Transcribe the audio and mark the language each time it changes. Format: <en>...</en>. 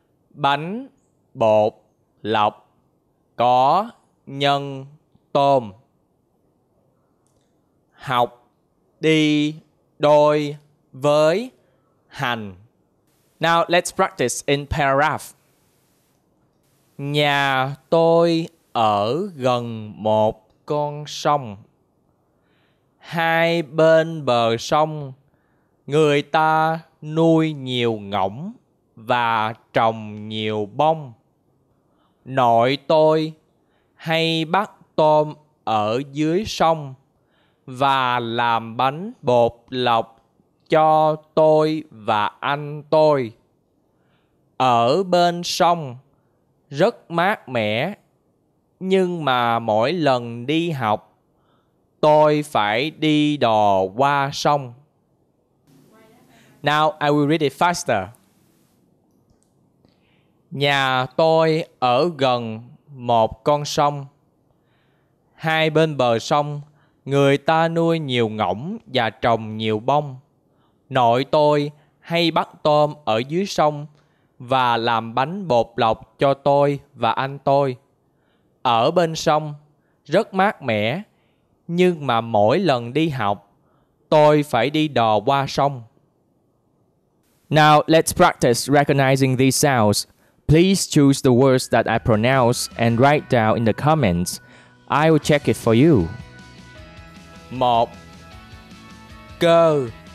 <vi>Bánh bột lọc có nhân tôm. Học đi đôi với hành.</vi> <en>Now let's practice in paragraph.</en> <vi>Nhà tôi ở gần một con sông. Hai bên bờ sông, người ta nuôi nhiều ngỗng và trồng nhiều bông. Nội tôi hay bắt tôm ở dưới sông và làm bánh bột lọc cho tôi và anh tôi. Ở bên sông rất mát mẻ, nhưng mà mỗi lần đi học tôi phải đi đò qua sông.</vi> <en>Now I will read it faster.</en> <vi>Nhà tôi ở gần một con sông. Hai bên bờ sông, người ta nuôi nhiều ngỗng và trồng nhiều bông. Nội tôi hay bắt tôm ở dưới sông và làm bánh bột lọc cho tôi và anh tôi. Ở bên sông rất mát mẻ, nhưng mà mỗi lần đi học tôi phải đi đò qua sông.</vi> <en>Now let's practice recognizing these sounds. Please choose the words that I pronounce and write down in the comments. I will check it for you.</en> <vi>Một, cơ.</vi>